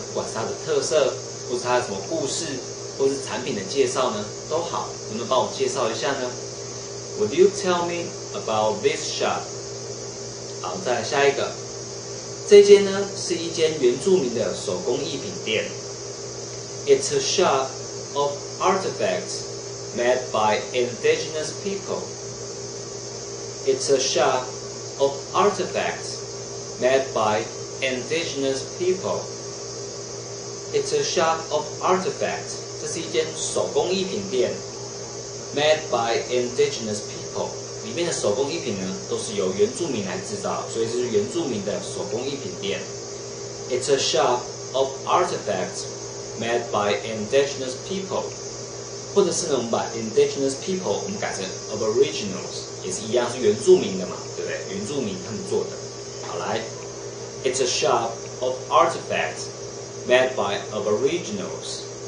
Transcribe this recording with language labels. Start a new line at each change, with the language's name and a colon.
Chinese: 不管是它的特色，或是它的什么故事？或是产品的介绍呢，都好，能不能帮我介绍一下呢 ？
English: Would you tell me about this shop？
Chinese: 好，再来下一个，这间呢是一间原住民的手工艺品店。
English: It's a shop of artifacts made by indigenous people. It's a shop of artifacts made by indigenous people. It's a shop of artifacts.
Chinese: 这是一间手工艺品店
English: ，made by indigenous people。
Chinese: 里面的手工艺品呢，都是由原住民来制造，所以这是原住民的手工艺品店。
English: It's a shop of artifacts made by indigenous people.
Chinese: 或者是呢，我们把 indigenous people 我们改成 aboriginals， 也是一样，是原住民的嘛，对不对？原住民他们做的。
English: 好来 ，It's a shop of artifacts made by aboriginals.